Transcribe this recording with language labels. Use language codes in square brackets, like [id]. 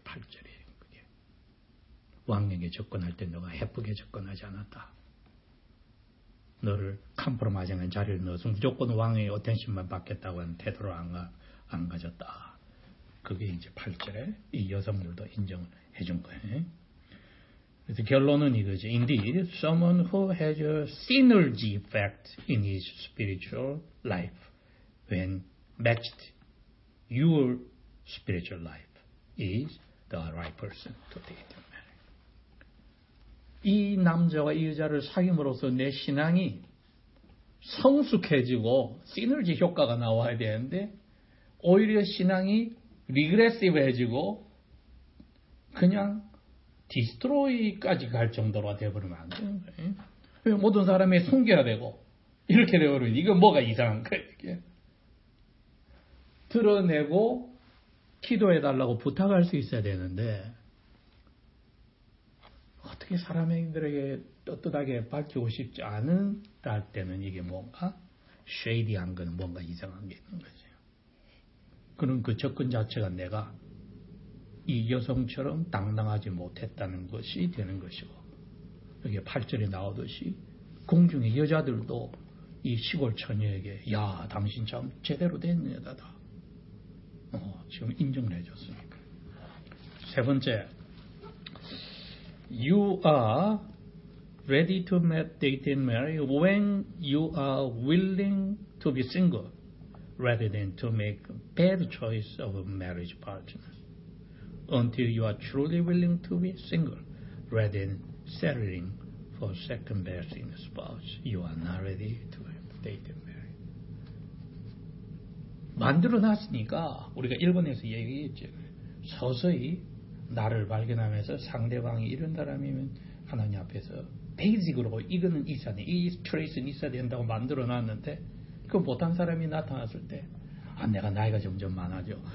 [ko] 8절에 그게. 왕에게 접근할 때 너가 예쁘게 접근하지 않았다. 너를 컴프로마이징한 자리를 넣어서 무조건 왕의 어텐션만 받겠다고 하는 태도를 안 가졌다. 그게 이제 8절에 이 여성들도 인정을 해준 거예요. 그래서 결론은 이거지. [en] Indeed, someone who has a synergy effect in his spiritual life when matched your spiritual life is the right person to date. [ko] 이 남자와 이 여자를 사귐으로써 내 신앙이 성숙해지고 시너지 효과가 나와야 되는데 오히려 신앙이 리그레시브해지고 그냥 디스트로이까지 갈 정도로 되어버리면 안 되는 거예요. 모든 사람이 숨겨야 되고 이렇게 되어버리면 이거 뭐가 이상한 거예요. 이게. 드러내고 기도해달라고 부탁할 수 있어야 되는데 어떻게 사람들에게 떳떳하게 밝히고 싶지 않은다 할 때는 이게 뭔가 쉐이디한 건 뭔가 이상한 게 있는 거죠. 그런 그 접근 자체가 내가 이 여성처럼 당당하지 못했다는 것이 되는 것이고 여기 8절에 나오듯이 궁중의 여자들도 이 시골 처녀에게 야 당신 참 제대로 된 여자다 지금 인정을 해줬으니까. 세 번째 [en] You are ready to date and marry when you are willing to be single rather than to make a bad choice of a marriage partner. Until you are truly willing to be single, rather than settling for second best in a spouse, you are not ready to date and marry. [ko] 만들어놨으니까 우리가 일본에서 얘기했죠. 서서히 나를 발견하면서 상대방이 이런 사람이면 하나님 앞에서 베이직으로 이거는 있어야 돼. 이 트레이스는 있어야 된다고 만들어 놨는데 그 못한 사람이 나타났을 때 아, 내가 나이가 점점 많아져.